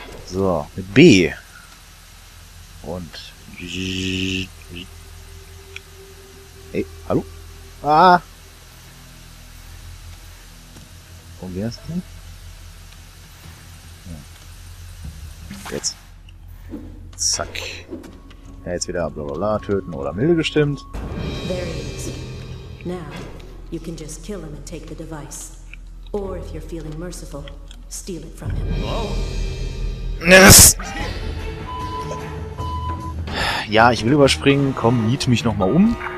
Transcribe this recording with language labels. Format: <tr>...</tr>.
<de>So, mit B. Und. Hey, hallo? Ah! Und wer ist denn? Jetzt. Zack. Ja, jetzt wieder bla bla bla töten oder milde gestimmt.</de> <en>Now, you can just kill him and take the device. Or if you're feeling merciful, steal it from him. Yes!</en> <de>Ja, ich will überspringen. Komm, miet mich nochmal um.</de>